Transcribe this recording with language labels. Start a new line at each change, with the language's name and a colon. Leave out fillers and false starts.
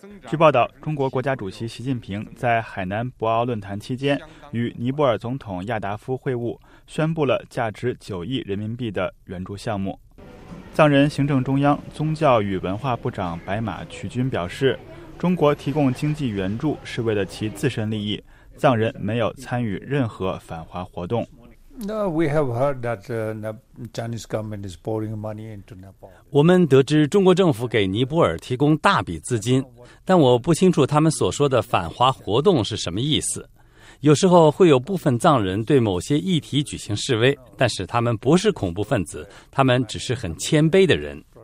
Chinese: 据报道，中国国家主席习近平在海南博鳌论坛期间与尼泊尔总统亚达夫会晤，宣布了价值9亿人民币的援助项目。藏人行政中央宗教与文化部长白马瞿军表示，中国提供经济援助是为了其自身利益，藏人没有参与任何反华活动。
English: No, we have heard that the Chinese government is pouring money into Nepal.
Chinese: 我们得知中国政府给尼泊尔提供大笔资金，但我不清楚他们所说的反华活动是什么意思。有时候会有部分藏人对某些议题举行示威，但是他们不是恐怖分子，他们只是很谦卑的人。